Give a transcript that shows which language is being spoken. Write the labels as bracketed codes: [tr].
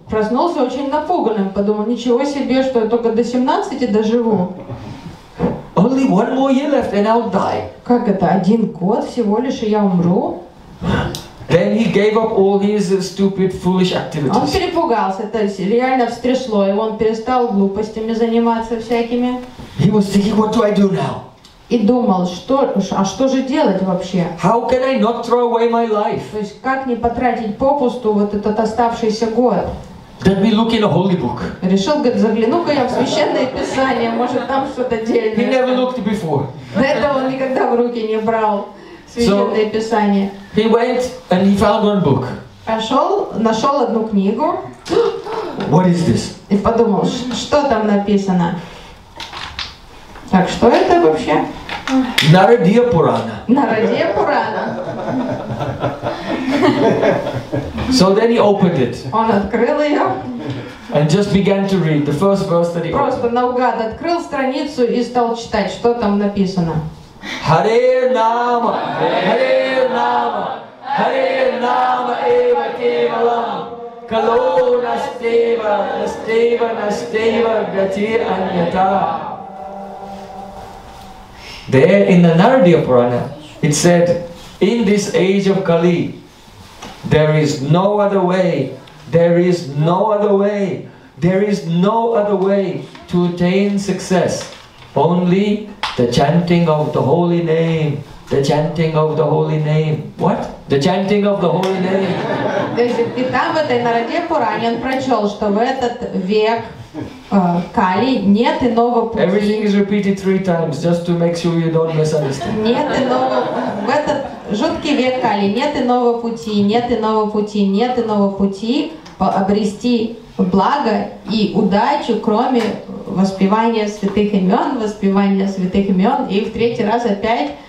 [ru] Проснулся очень напуганным, подумал, ничего себе, что я только до 17 доживу. [en] Only 1 more year left and I'll die. [ru] Как это, один год всего лишь и я умру? [en] Then he gave up all his stupid, foolish activities. [ru] Он перепугался, то есть реально встрясло, и он перестал глупостями заниматься всякими. [en] He was thinking, what do I do now? [ru] И думал, что же делать вообще? [en] How can I not throw away my life? [ru] То есть как не потратить попусту вот этот оставшийся год? [en] Let me look in a holy book. [ru] Решил, говорит, загляну-ка я в священное писание, может там что-то дельное. [en] He never looked before. [ru] До этого он никогда в руки не брал священное писание. [en] So he went and he found one book. [ru] Пошел, нашел одну книгу. [en] What is this? [ru] И подумал, что там написано? Так что это вообще? Нарадия Пурана. Нарадия Пурана. [en] So then he opened it. [ru] Он открыл ее. [en] And just began to read the first verse that he opened. [ru] Просто наугад открыл страницу и стал читать, что там написано. [sa] Харе Нама, Харе Нама, Харе Нама Эва Кевалам, Кало Настева, Настева, Настева, Гати Аньята. [en] There in the Narada Purana, it said, in this age of Kali, there is no other way, there is no other way, there is no other way to attain success. Only the chanting of the holy name, the chanting of the holy name. What? The chanting of the holy name. [ru] И там, в этой Нараде Пуране, он прочел, что в этот век Кали нет иного пути. [en] Everything is repeated 3 times, just to make sure you don't misunderstand. [ru] Нет иного, в этот жуткий век Кали нет иного пути, нет иного пути, нет иного пути обрести благо и удачу, кроме воспевания святых имен, воспевания святых имен. И в третий раз опять